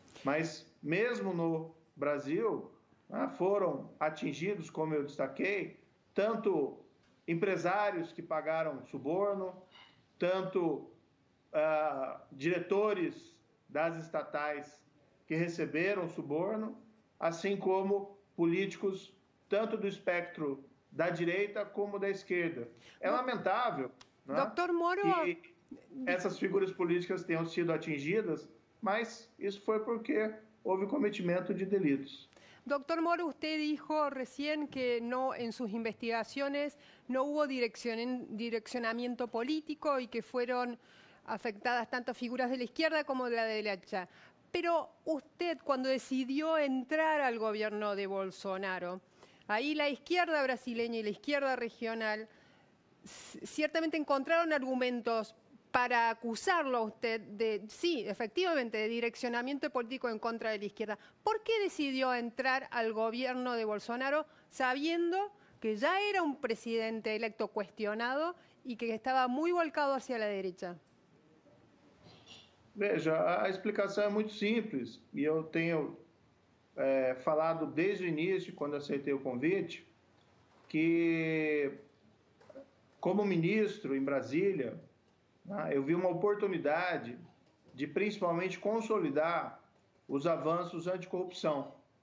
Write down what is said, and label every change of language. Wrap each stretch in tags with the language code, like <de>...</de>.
<pt>Mas, mesmo no Brasil, foram atingidos, como eu destaquei, tanto empresários que pagaram suborno, tanto diretores das estatais que receberam suborno, assim como políticos, tanto do espectro da direita como da esquerda. É lamentável, Dr. Moro, que essas figuras políticas tenham sido atingidas, mas isso foi porque houve cometimento de delitos.</pt> <es>Doctor Moro, usted dijo recién que no, en sus investigaciones no hubo direccionamiento político y que fueron afectadas tanto figuras de la izquierda como de la derecha. Pero usted, cuando decidió entrar al gobierno de Bolsonaro, ahí la izquierda brasileña y la izquierda regional ciertamente encontraron argumentos para acusarlo a usted de, sí, efectivamente, de direccionamiento político en contra de la izquierda. ¿Por qué decidió entrar al gobierno de Bolsonaro sabiendo que ya era un presidente electo cuestionado y que estaba muy volcado hacia la derecha?</es> <pt>Veja, a explicação é muito simples, e eu tenho falado desde o início, quando aceitei o convite, que como ministro em Brasília, eu vi uma oportunidade de principalmente consolidar os avanços anticorrupção.</pt>